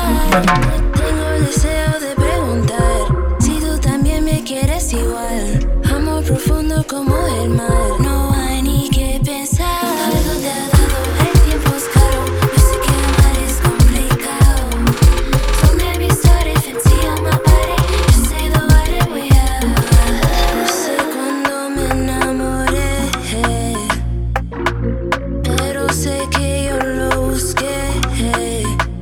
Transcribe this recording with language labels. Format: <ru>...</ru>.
<es>Tengo el deseo de preguntar si tú también me quieres igual. Amor profundo como el mar. No hay ni que pensar. No sabes dónde has dado, el tiempo es caro. Yo sé que amar es complicado.</es> <en>So maybe start if it's you on my body. You say the word and we have.</en> <es>No sé cuándo me enamoré, pero sé que yo lo busqué.</es>